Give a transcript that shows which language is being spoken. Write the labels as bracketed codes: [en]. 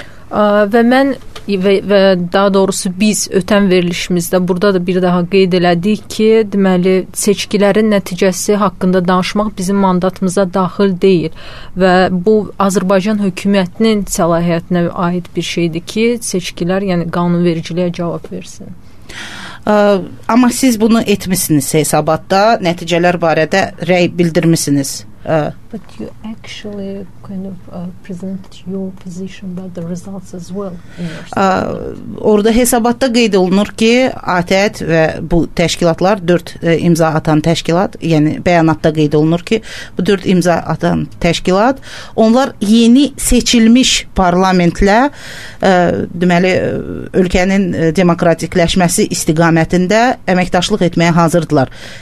[az] Və mən və daha doğrusu biz ötən verilişimizdə burada da bir daha qeyd elədik ki, deməli, seçkilərin nəticəsi haqqında danışmaq bizim mandatımıza daxil deyil və bu Azərbaycan hökumətinin səlahiyyətinə aid bir şeydir ki, seçkilər, yəni qanunvericiliyə cavab versin. Amma siz bunu etmisiniz hesabatda, nəticələr barədə rəy bildirmisiniz. [en] But you actually kind of presented your position about the results as well. [az] Orada hesabatda qeyd olunur ki, ATƏT və bu təşkilatlar, 4 imza atan təşkilat, yəni bəyanatda qeyd olunur ki, bu 4 imza atan təşkilat, onlar yeni seçilmiş parlamentlə, deməli, ölkənin demokratikləşməsi istiqamətində əməkdaşlıq etməyə hazırdılar.